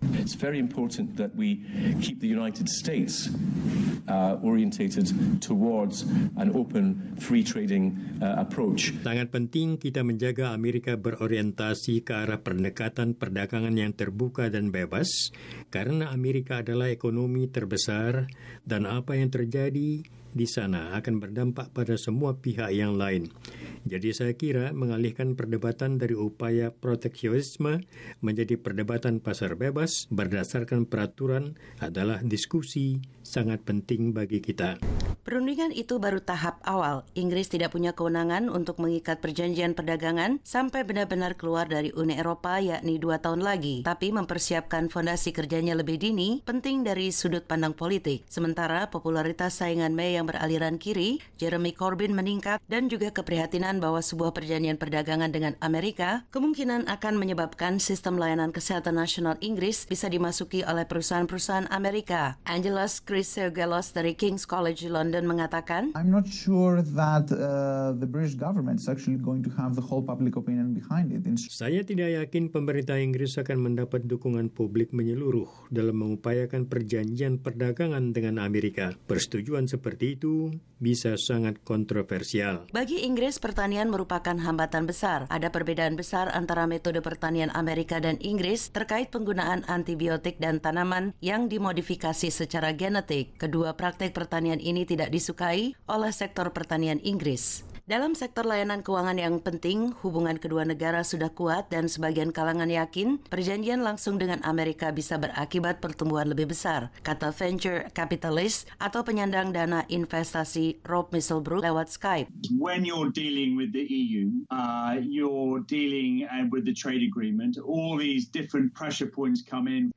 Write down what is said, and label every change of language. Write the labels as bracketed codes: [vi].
[en] "It's very important that we keep the United States orientated towards an open free trading approach." [id] Sangat penting kita menjaga Amerika berorientasi ke arah pendekatan perdagangan yang terbuka dan bebas, karena Amerika adalah ekonomi terbesar dan apa yang terjadi di sana akan berdampak pada semua pihak yang lain. Jadi saya kira mengalihkan perdebatan dari upaya proteksionisme menjadi perdebatan pasar bebas berdasarkan peraturan adalah diskusi sangat penting bagi kita. Perundingan itu baru tahap awal. Inggris tidak punya kewenangan untuk mengikat perjanjian perdagangan sampai benar-benar keluar dari Uni Eropa, yakni 2 tahun lagi. Tapi mempersiapkan fondasi kerjanya lebih dini penting dari sudut pandang politik. Sementara popularitas saingan May yang beraliran kiri, Jeremy Corbyn meningkat dan juga keprihatinan bahwa sebuah perjanjian perdagangan dengan Amerika kemungkinan akan menyebabkan sistem layanan kesehatan nasional Inggris bisa dimasuki oleh perusahaan-perusahaan Amerika. Angelos Christogelos dari King's College London mengatakan, [en] I'm not sure that the British government is actually going to have the whole public opinion behind it. [id] Saya tidak yakin pemerintah Inggris akan mendapat dukungan publik menyeluruh dalam mengupayakan perjanjian perdagangan dengan Amerika. Persetujuan seperti itu bisa sangat kontroversial. Bagi Inggris, pertanian merupakan hambatan besar. Ada perbedaan besar antara metode pertanian Amerika dan Inggris terkait penggunaan antibiotik dan tanaman yang dimodifikasi secara genetik. Kedua praktik pertanian ini tidak disukai oleh sektor pertanian Inggris. Dalam sektor layanan keuangan yang penting, hubungan kedua negara sudah kuat dan sebagian kalangan yakin perjanjian langsung dengan Amerika bisa berakibat pertumbuhan lebih besar, kata venture capitalist atau penyandang dana investasi Rob Misselbrook lewat Skype. [en] When you're dealing with the EU, you're dealing with the trade agreement, all these different pressure points come in.